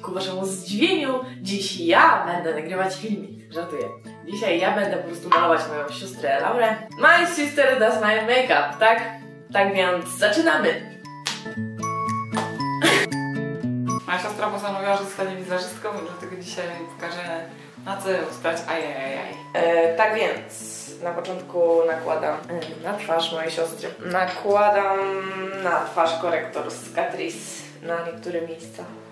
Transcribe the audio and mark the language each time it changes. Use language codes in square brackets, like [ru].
[pl] Ku waszemu zdziwieniu, dziś ja będę nagrywać filmik. Żartuję. Dzisiaj ja będę po prostu malować moją siostrę Laurę. [en] My sister does my makeup, tak? [pl] Tak więc zaczynamy! Moja siostra postanowiła, że zostanie wizerzystką, dlatego dzisiaj pokażę, na co ją stać. Ajajajaj. Tak więc, na początku nakładam na twarz mojej siostry. Nakładam na twarz korektor z Catrice na niektóre miejsca.